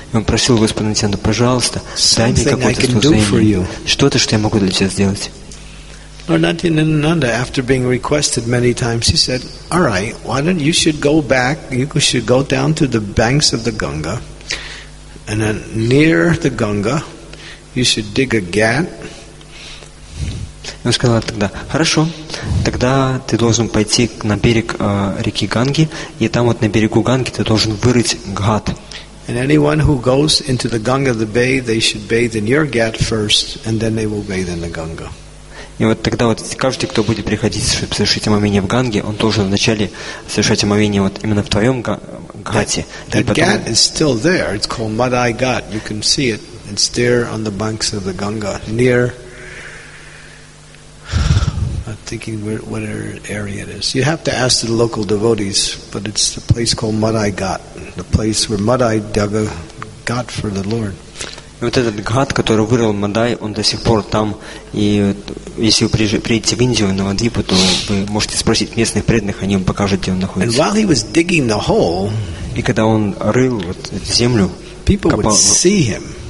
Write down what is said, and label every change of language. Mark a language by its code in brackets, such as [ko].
[ru] И он просил Господа Нитянанду, пожалуйста, дай мне какое-то служение. Что-то, что я могу для тебя сделать. [en] Lord Nityananda, after being requested many times, he said, all right, why don't you should go back, you should go down to the banks of the Ganga, and then near the Ganga, you should dig a gat. [ru] И он сказал тогда, хорошо, тогда ты должен пойти на берег реки Ганги, и там вот на берегу Ганги ты должен вырыть гат. [en] And anyone who goes into the Ganga, the bay, they should bathe in your ghat first, and then they will bathe in the Ganga. [ru] И вот тогда вот каждый, кто будет приходить, чтобы совершить омовение в Ганге, он должен вначале совершать омовение вот именно в твоем гате. [en] That ghat is still there. It's called Madai Ghat. You can see it. It's there on the banks of the Ganga, near. I'm thinking what area it is. You have to ask the local devotees, but it's the place called Madai Ghat, the place where Madai dug a ghat for the Lord. [ru] Вот этот ghat, который вырыл Мадай, он до сих пор там. И если вы приедете в Индию на Вадвипу, то вы можете спросить местных преданных, они вам покажут, где он находится. [en] And while he was digging the hole, [ru] и когда он рыл вот землю, [en] people would see him.